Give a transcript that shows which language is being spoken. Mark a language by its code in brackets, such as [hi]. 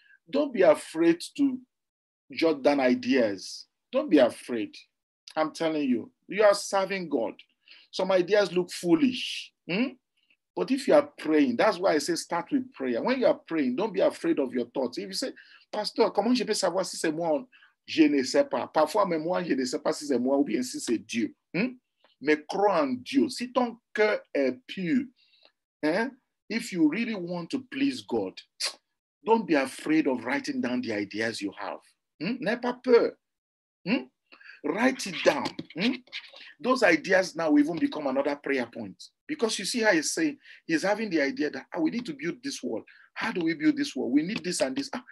[en] Don't be afraid to jot down ideas. Don't be afraid. I'm telling you. You are serving God. Some ideas look foolish. But if you are praying, that's why I say start with prayer. When you are praying, don't be afraid of your thoughts. If you say, [fr] Pastor, comment je peux savoir si c'est moi? Je ne sais pas. Parfois, même moi, je ne sais pas si c'est moi ou bien si c'est Dieu. Mais crois en Dieu. Si ton cœur est pur, [en] if you really want to please God, don't be afraid of writing down the ideas you have. [fr] N'aie pas peur. [en] Write it down. Those ideas now even become another prayer point. Because you see how he's saying, he's having the idea that we need to build this wall. How do we build this wall? We need this and this.